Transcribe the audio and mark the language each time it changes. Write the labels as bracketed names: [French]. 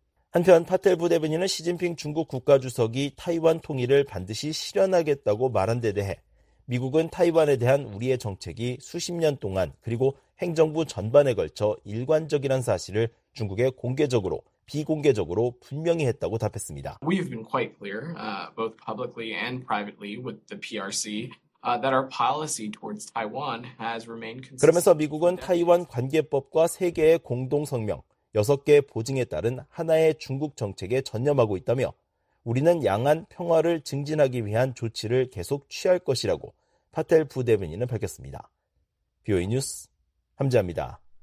[Korean] 한편 파텔 부대변인은 시진핑 중국 국가주석이 타이완 통일을 반드시 실현하겠다고 말한 데 대해 미국은 타이완에 대한 우리의 정책이 수십 년 동안 그리고 행정부 전반에 걸쳐 일관적이란 사실을 중국에 공개적으로 비공개적으로 분명히 했다고 답했습니다. [English] We've been quite clear, both publicly and privately with the PRC, that our policy towards Taiwan has remained consistent. [Korean] 그러면서 미국은 타이완 관계법과 세계의 공동성명, 6개의 보증에 따른 하나의 중국 정책에 전념하고 있다며 우리는 양안 평화를 증진하기 위한 조치를 계속 취할 것이라고 파텔 부대변인은 밝혔습니다. BOA 뉴스 함재합니다.